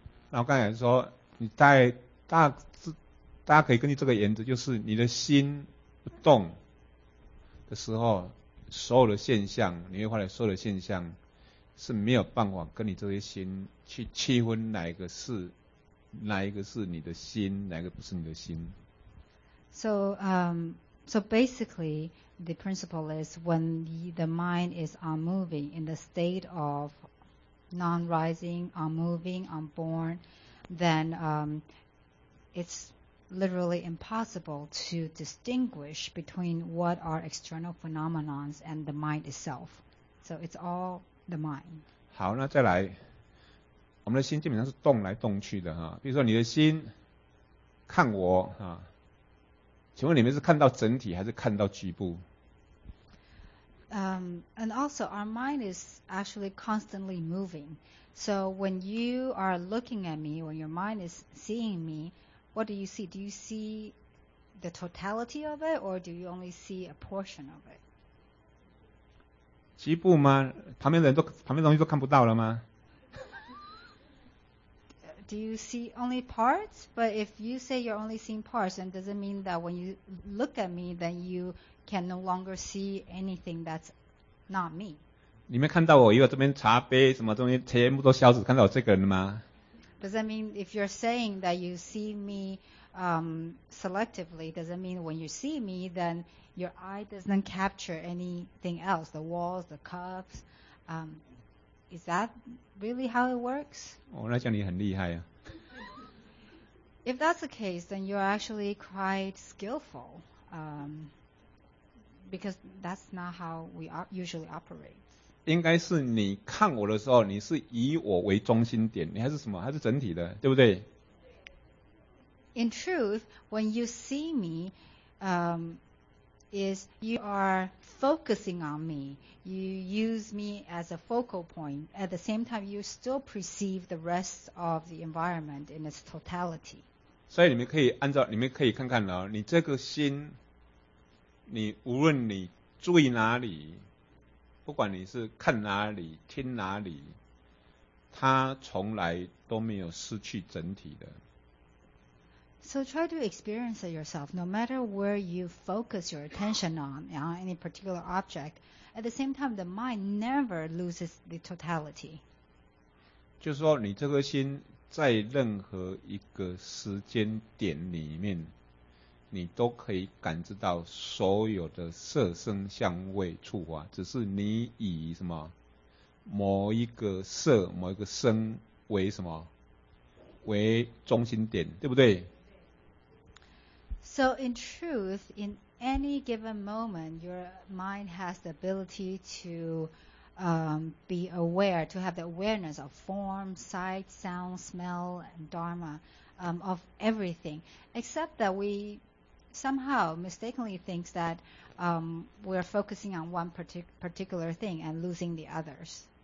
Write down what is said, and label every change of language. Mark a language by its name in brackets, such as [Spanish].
[Chinese] 那我刚才说，你大家可以根据这个原则，就是你的心不动的时候，所有的现象，你会发现所有的现象是没有办法跟你这些心去区分哪一个是你的心，哪一个不是你的心。 [English] So basically, the principle is when the mind is unmoving in the state of non-rising, unmoving, unborn, then it's literally impossible to distinguish between what are external phenomena and the mind itself. So it's all the mind. [Chinese] 好，那再来，我们的心基本上是动来动去的哈。比如说，你的心看我啊。请问你们是看到整体还是看到局部？ [English] And also, our mind is actually constantly moving. So when you are looking at me, when your mind is seeing me, what do you see? Do you see the totality of it, or do you only see a portion of it? [Chinese] 局部吗？旁边东西都看不到了吗？ [English] Do you see only parts? But if you say you're only seeing parts, then does it mean that when you look at me, then you can no longer see anything that's not me? [Chinese] 你们看到我以后，这边茶杯什么东西全部都消失，看到我这个人了吗？ [English] Does that mean if you're saying that you see me selectively, does it mean when you see me, then your eye doesn't capture anything else, the walls, the cups, is that really how it works? [Chinese] 哦，那叫你很厉害啊。 [English] If that's the case, then you're actually quite skillful, because that's not how we usually operate. [Chinese] 应该是你看我的时候，你是以我为中心点，你还是什么？还是整体的，对不对？ [English] In truth, when you see me, is you are focusing on me. You use me as a focal point. At the same time, you still perceive the rest of the environment in its totality. [Chinese] 所以你们可以按照，你们可以看看了，你这个心，你无论你注意哪里，不管你是看哪里、听哪里，它从来都没有失去整体的。 [English] So try to experience it yourself. No matter where you focus your attention on, you know, any particular object, at the same time, the mind never loses the totality. [Chinese] 就是说你这个心在任何一个时间点里面，你都可以感知到所有的色声香味触法，只是你以什么某一个色、某一个声为什么为中心点，对不对？ [English] So in truth, in any given moment, your mind has the ability to be aware, to have the awareness of form, sight, sound, smell, and dharma, of everything. Except that we somehow mistakenly think that we're focusing on one particular thing and losing the others.